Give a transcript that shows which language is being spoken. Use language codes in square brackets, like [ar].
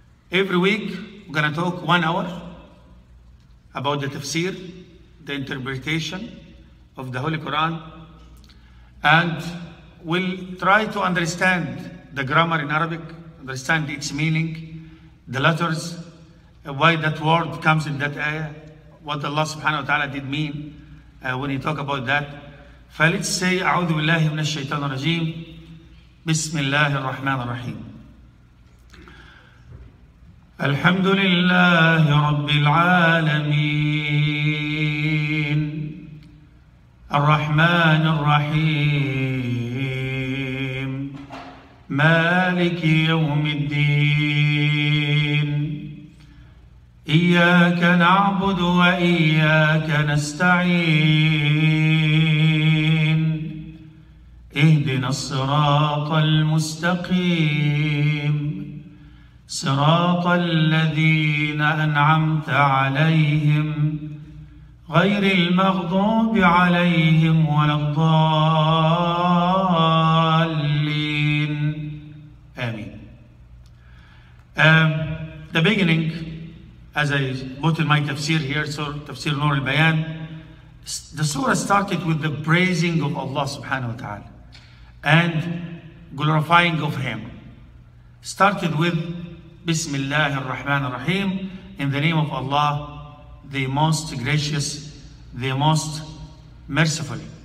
[en] Every week we're gonna talk 1 hour about the Tafsir, the interpretation of the Holy Quran, and we'll try to understand the grammar in Arabic, understand its meaning, the letters, why that word comes in that ayah, what Allah subhanahu wa ta'ala did mean when he talk about that. فَلِتْ سَيْ [ar] أَعُوذُ بِاللَّهِ مِنَ الشَّيْطَانِ الرَّجِيمِ بِسْمِ اللَّهِ الرَّحْمَنِ الرَّحِيمِ الحمد لله رب العالمين الرحمن الرحيم مالك يوم الدين إياك نعبد وإياك نستعين اهدنا الصراط المستقيم صراط الذين أنعمت عليهم غير المغضوب عليهم ولا الضالين آمين. [en] The beginning, as I put in my tafsir here, tafsir Nur al-Bayan, the surah started with the praising of Allah subhanahu wa ta'ala and glorifying of Him. Started with Bismillah ar-Rahman ar-Rahim, in the name of Allah, the most gracious, the most merciful.